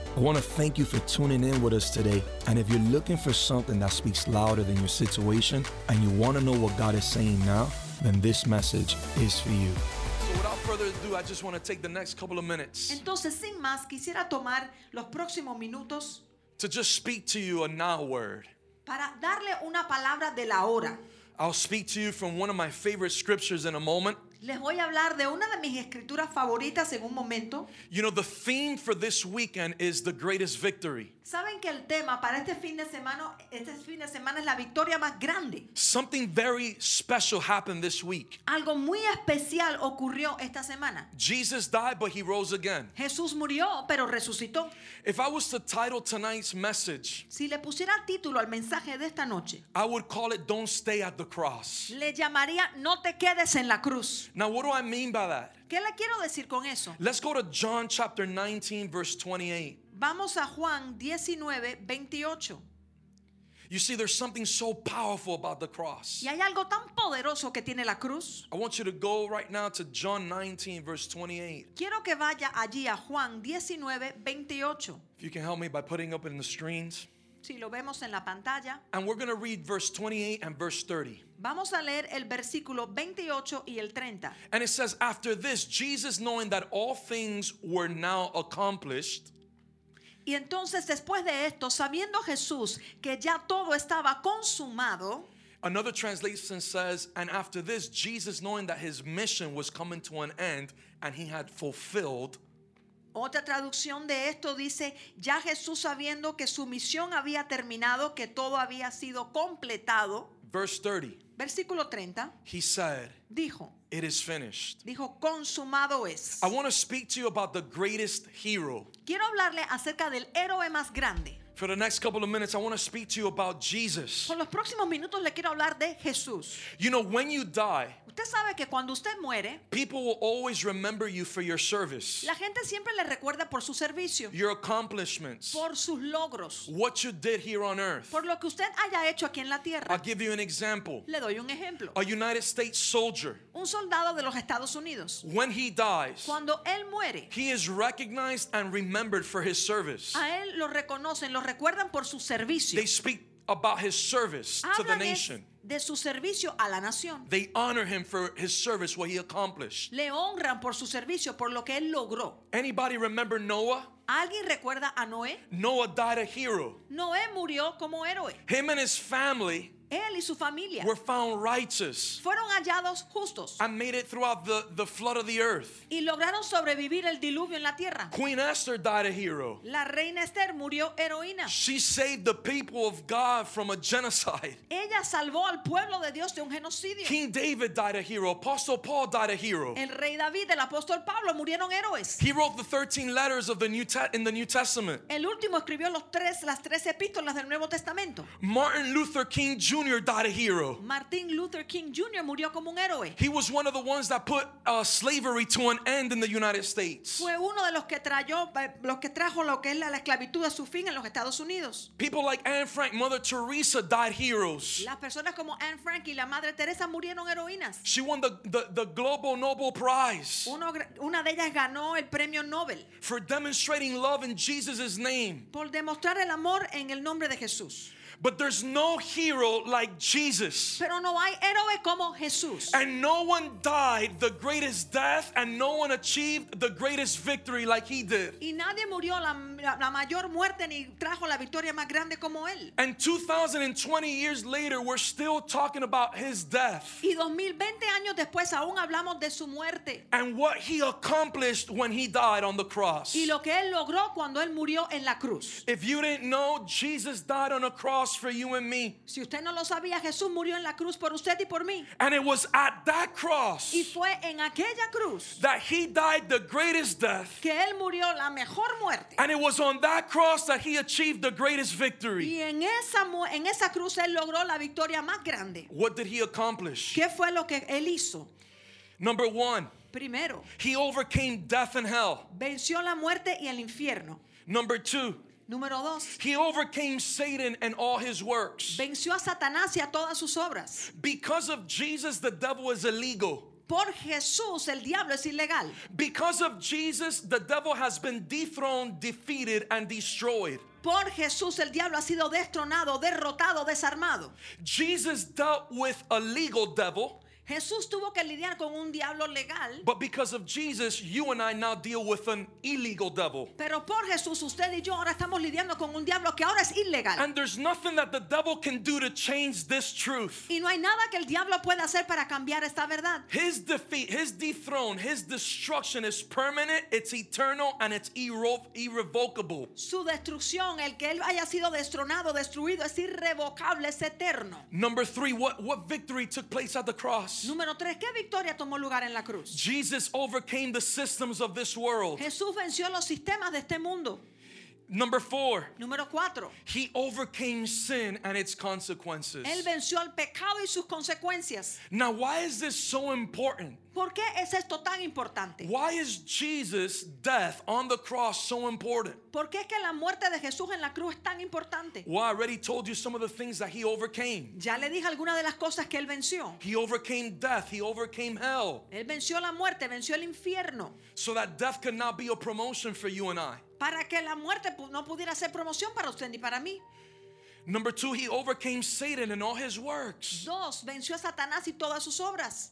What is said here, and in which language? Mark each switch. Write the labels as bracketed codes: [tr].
[en] I want to thank you for tuning in with us today. And if you're looking for something that speaks louder than your situation and you want to know what God is saying now, then this message is for you. I just want to take the next couple of minutes. [es] Entonces, sin más, quisiera tomar los próximos minutos [en] to just speak to you a now word. [es] Para darle una palabra de la hora. [en] I'll speak to you from one of my favorite scriptures in a moment. [es] Les voy a hablar de una de mis escrituras favoritas en un momento. [en] You know, the theme for this weekend is the greatest victory. [es] ¿Saben que el tema para este fin de semana es la victoria más grande? [en] Something very special happened this week. [es] Algo muy especial ocurrió esta semana. [en] Jesus died, but he rose again. [es] Jesús murió, pero resucitó. [en] If I was to title tonight's message, [es] si le pusiera título al mensaje de esta noche, [en] I would call it Don't Stay at the Cross. [es] Le llamaría No te quedes en la cruz. [en] Now, what do I mean by that? [es] ¿Qué le quiero decir con eso? [en] Let's go to John chapter 19, verse 28. [es] Vamos a Juan 19:28. [en] You see, there's something so powerful about the cross. [es] ¿Y hay algo tan poderoso que tiene la cruz? [en] I want you to go right now to John 19, verse 28. [es] Quiero que vaya allí a Juan 19:28. [en] If you can help me by putting up in the screens. [es] Si lo vemos en la pantalla. [en] And we're going to read verse 28 and verse 30. [es] Vamos a leer el versículo 28 y el 30. [en] And it says, after this, Jesus, knowing that all things were now accomplished. [es] Y entonces, después de esto, sabiendo Jesús que ya todo estaba consumado. [en] Another translation says, and after this, Jesus, knowing that his mission was coming to an end and he had fulfilled. [es] Otra traducción de esto dice, ya Jesús sabiendo que su misión había terminado, que todo había sido completado. [en] Verse 30. [es] Versículo 30. [en] He said. [es] Dijo. [en] It is finished. [es] Dijo, consumado es. [en] I want to speak to you about the greatest hero. [es] Quiero hablarle acerca del héroe más grande. [en] For the next couple of minutes, I want to speak to you about Jesus. [es] Por los próximos minutos le quiero hablar de Jesús. [en] You know, when you die, [es] usted sabe que cuando usted muere, [en] people will always remember you for your service. [es] La gente siempre le recuerda por su servicio. [en] Your accomplishments. [es] Por sus logros. [en] What you did here on earth. [es] Por lo que usted haya hecho aquí en la tierra. [en] I'll give you an example. [es] Le doy un ejemplo. [en] A United States soldier. [es] Un soldado de los Estados Unidos. [en] When he dies. [es] Cuando él muere. [en] He is recognized and remembered for his service. [es] A él lo reconocen, lo recuerdan por su servicio. [en] They speak about his service [es] Hablan [en] to the nation. [es] De su servicio a la nación. [en] They honor him for his service, what he accomplished. [es] Le honran por su servicio, por lo que él logró. [en] Anybody remember Noah? [es] ¿Alguien recuerda a Noé? [en] Noah died a hero. [es] Noé murió como héroe. [en] Him and his family, [es] él y su familia, [en] were found righteous. [es] Fueron hallados justos. [en] And made it throughout the flood of the earth. [es] Y lograron sobrevivir el diluvio en la tierra. [en] Queen Esther died a hero. [es] La reina Esther murió heroína. [en] She saved the people of God from a genocide. [es] Ella salvó al pueblo de Dios de un genocidio. [en] King David died a hero. Apostle Paul died a hero. [es] El rey David, el apóstol Pablo murieron héroes. [en] He wrote the 13 letters of the New Testament. [es] El último escribió las tres epístolas del Nuevo Testamento. [en] Martin Luther King Jr. died a hero. [es] Martin Luther King Jr. murió como un héroe. [en] He was one of the ones that put slavery to an end in the United States. [es] Fue uno de los que trajo lo que es la esclavitud a su fin en los Estados Unidos. [en] People like Anne Frank, Mother Teresa died heroes. [es] Las personas como Anne Frank y la Madre Teresa murieron heroínas. [en] She won the Global Nobel Prize. [es] Una de ellas ganó el premio Nobel. [en] For demonstrating love in Jesus' name. [es] Por demostrar el amor en el nombre de Jesús. [en] But there's no hero like Jesus. [es] Pero no hay héroe como Jesús. [en] And no one died the greatest death and no one achieved the greatest victory like he did. [es] Y nadie murió la mayor muerte ni trajo la victoria más grande como él. [en] And 2020 years later we're still talking about his death. [es] Y 2020 años después aún hablamos de su muerte. [en] And what he accomplished when he died on the cross. [es] Y lo que él logró cuando él murió en la cruz. [en] If you didn't know, Jesus died on a cross for you and me. [es] Si usted no lo sabía, Jesús murió en la cruz por usted y por mí. [en] And it was at that cross. [es] Y fue en aquella cruz. [en] That he died the greatest death. [es] Que él murió la mejor muerte. [en] And it was on that cross that he achieved the greatest victory. [es] Y en esa cruz él logró la victoria más grande. [en] What did he accomplish? [es] ¿Qué fue lo que él hizo? [en] Number one. [es] Primero. [en] He overcame death and hell. [es] Venció la muerte y el infierno. [en] Number two. [es] Número dos. [en] He overcame Satan and all his works. [es] Venció a Satanás y a todas sus obras. [en] Because of Jesus, the devil is illegal. [es] Por Jesús, el diablo es ilegal. [en] Because of Jesus, the devil has been dethroned, defeated, and destroyed. [es] Por Jesús, el diablo ha sido destronado, derrotado, desarmado. [en] Jesus dealt with a legal devil. [es] Jesús tuvo que lidiar con un diablo legal. [en] But because of Jesus, you and I now deal with an illegal devil. [es] Pero por Jesús, usted y yo ahora estamos lidiando con un diablo que ahora es ilegal. [en] And there's nothing that the devil can do to change this truth. [es] Y no hay nada que el diablo pueda hacer para cambiar esta verdad. [en] His defeat, his dethrone, his destruction is permanent, it's eternal, and it's irrevocable. [es] Su destrucción, el que él haya sido destronado, destruido, es irrevocable, es eterno. [en] Number three, what victory took place at the cross? [es] Número 3, ¿qué victoria tomó lugar en la cruz? [en] Jesus overcame the systems of this world. [es] Jesús venció los sistemas de este mundo. [en] Number 4. [es] Número 4. [en] He overcame sin and its consequences. [es] Él venció al pecado y sus consecuencias. [en] Now, why is this so important? [es] ¿Por qué es esto tan importante? [en] Why is Jesus' death on the cross so important? [es] ¿Por qué es que la muerte de Jesús en la cruz es tan importante? [en] Well, I already told you some of the things that he overcame. [es] Ya le dije algunas de las cosas que él venció. [en] He overcame death, he overcame hell. [es] Él venció la muerte, venció el infierno. [en] So that death could not be a promotion for you and I. [es] Para que la muerte no pudiera ser promoción para usted ni para mí. [en] Number two, he overcame Satan and all his works. [es] Dos, venció a Satanás y todas sus obras.